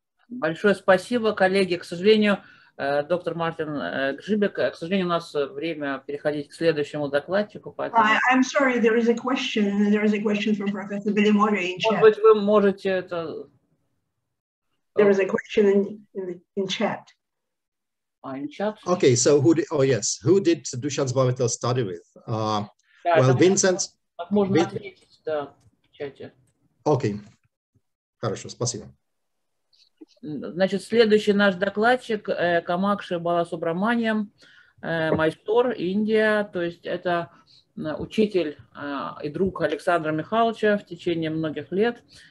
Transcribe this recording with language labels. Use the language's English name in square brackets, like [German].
[Russian] Большое спасибо, коллеги. К сожалению, доктор Мартин Гжибек, к сожалению, у нас время переходить к следующему докладчику. Поэтому... [English] I'm sorry, there is a question. There is a question from Professor Billy Murray in chat. [Russian] Может быть, вы можете это... [English] There is a question in chat. In chat? Okay, so who did, oh yes, who did Dušan Zbavitel study with? Well, Vincent... [Russian] Так можно ответить, да, в чате. Окей, хорошо, спасибо. Значит, следующий наш докладчик Камакши Баласубраманьям, майстор Индия, то есть это учитель и друг Александра Михайловича в течение многих лет.